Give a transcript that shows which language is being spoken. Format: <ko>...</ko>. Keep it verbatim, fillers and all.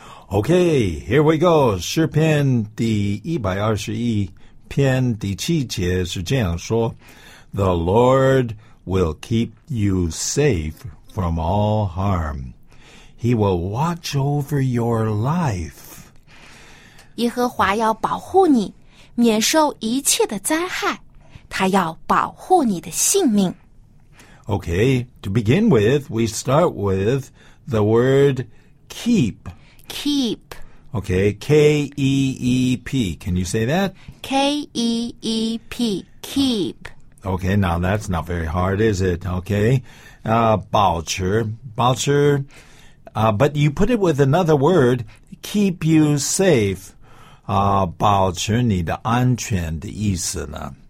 <en>Okay, here we go。</en> <zh>诗篇第一百二十一篇第七节是这样说，</zh> <en>The Lord will keep you safe from all harm. He will watch over your life.</en> <zh>耶和华要保护你，免受一切的灾害，他要保护你的性命。</zh> <en>Okay, to begin with, we start with the word keep. Keep. Okay, K E E P. Can you say that? K E E P, keep. Okay, now that's not very hard, is it? Okay. Uh,</en> <zh>保持, 保持,</zh> <en>uh, but you put it with another word, keep you safe.</en> <zh>Uh, 保持你的安全的意思呢？</zh>